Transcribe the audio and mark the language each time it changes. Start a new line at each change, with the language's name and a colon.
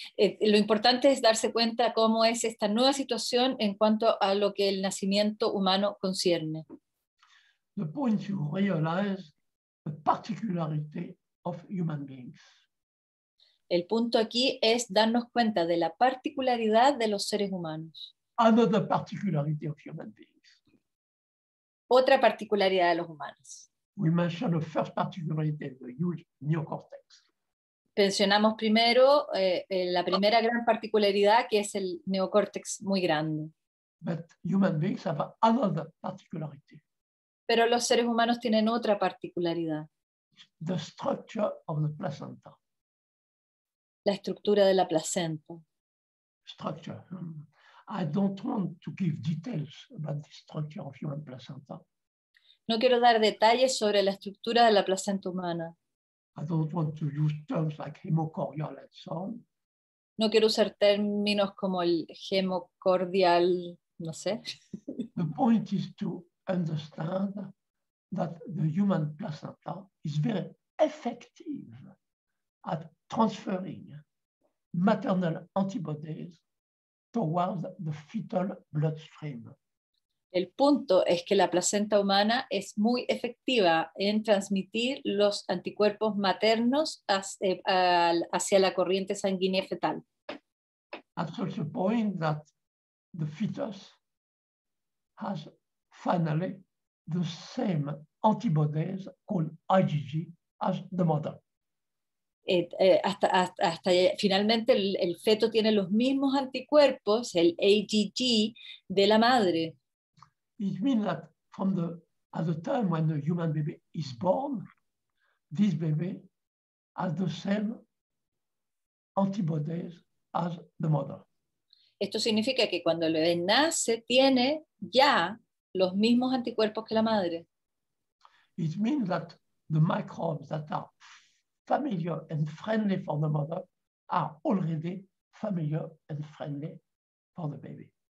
Spanish: Lo importante es darse cuenta cómo es esta nueva situación en cuanto a lo que el nacimiento humano concierne.
English: The point to realize the particularity of human beings.
Spanish: El punto aquí es darnos cuenta de la particularidad de los seres humanos.
English: Another particularity of human beings.
Spanish: Otra particularidad de los humanos.
English: We mentioned the first particularity of the huge neocortex.
Spanish: Mencionamos primero la primera gran particularidad, que es el neocórtex muy grande.
English: But human beings have another particularity.
Spanish: Pero los seres humanos tienen otra particularidad.
English: The structure of the placenta.
Spanish: La estructura de la placenta.
English: Structure. I don't want to give details about the structure of human placenta.
Spanish: No quiero dar detalles sobre la estructura de la placenta humana.
English: I don't want to use terms like hemocordial and so on.
Spanish: No quiero usar términos como el hemocordial, no sé.
English: The point is to understand that the human placenta is very effective at transferring maternal antibodies towards the fetal bloodstream.
Spanish: El punto es que la placenta humana es muy efectiva en transmitir los anticuerpos maternos hacia la corriente sanguínea fetal.
English: At such a point that the fetus has finally the same antibodies called IgG as the mother.
Spanish: Hasta finalmente el feto tiene los mismos anticuerpos, el IgG, de la madre.
English: It means that from the at the time when the human baby is born, this baby has the same antibodies as the mother.
Spanish: Esto significa que cuando el bebé nace tiene ya los mismos anticuerpos que la madre.
English: It means that the microbes that are familiar and friendly for the mother are already familiar and friendly for the baby.